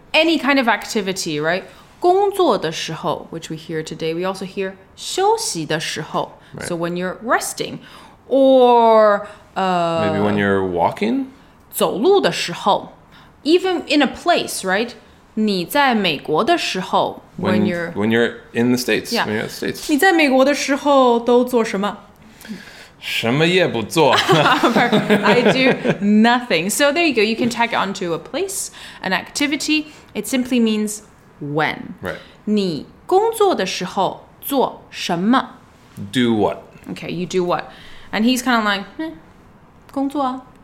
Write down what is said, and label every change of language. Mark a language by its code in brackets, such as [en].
[en] Any kind of activity, right? [zh] 工作的时候, [en] which we hear today, we also hear [zh] 休息的时候. [en] Right. So when you're resting, or maybe when you're walking? [zh] 走路的时候, [en] even in a place, right? [zh] 你在美国的时候, [en] when you're in the States, yeah. When you're in the States. [zh] 你在美国的时候都做什么? 什么也不做. [en] I do nothing. So there you go. You can tag it onto a place, an activity. It simply means when. Right. [zh] 你工作的时候做什么? [en] Do what? Okay, you do what? And he's kind of like, [zh] 工作啊.